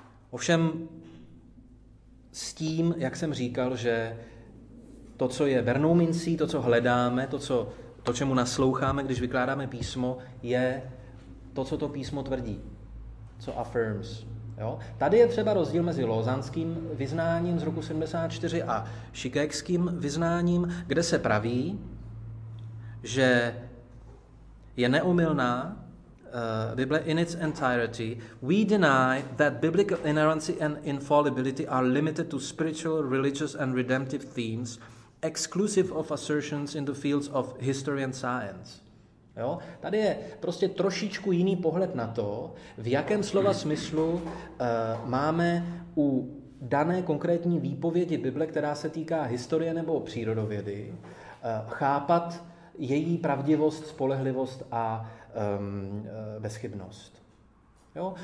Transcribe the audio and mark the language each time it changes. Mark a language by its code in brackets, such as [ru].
[cs] Ovšem s tím, jak jsem říkal, že to, co je vernou mincí, to, co hledáme, to, čemu nasloucháme, když vykládáme písmo, je to, co to písmo tvrdí, co affirms. Jo? Tady je třeba rozdíl mezi lozanským vyznáním z roku 74 a šikékským vyznáním, kde se praví, že je neomylná Bible [en] in its entirety. We deny that biblical inerrancy and infallibility are limited to spiritual, religious and redemptive themes, exclusive of assertions in the fields of history and science. [cs] Jo? Tady je prostě trošičku jiný pohled na to, v jakém slova smyslu máme u dané konkrétní výpovědi Bible, která se týká historie nebo přírodovědy, chápat její pravdivost, spolehlivost a bezchybnost. Jo?